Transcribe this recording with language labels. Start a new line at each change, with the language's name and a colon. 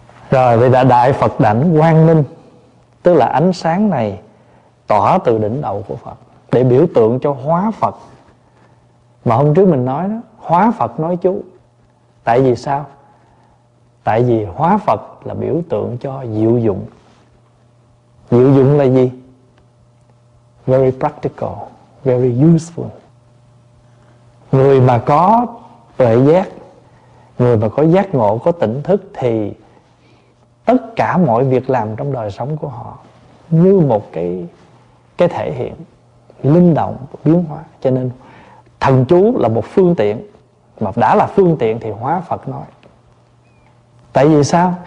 Vietnamese: Rồi vậy là Đại Phật Đảnh Quang Minh, tức là ánh sáng này tỏa từ đỉnh đầu của Phật để biểu tượng cho hóa Phật. Mà hôm trước mình nói đó, hóa Phật nói chú, Tại vì sao? Tại vì hóa Phật là biểu tượng cho diệu dụng. Diệu dụng là gì?
English: Very practical, very useful.
Vietnamese: Người mà có tuệ giác, người mà có giác ngộ, có tỉnh thức thì tất cả mọi việc làm trong đời sống của họ như một cái thể hiện linh động, biến hóa. Cho nên thần chú là một phương tiện, mà đã là phương tiện thì hóa Phật nói. Tại vì sao?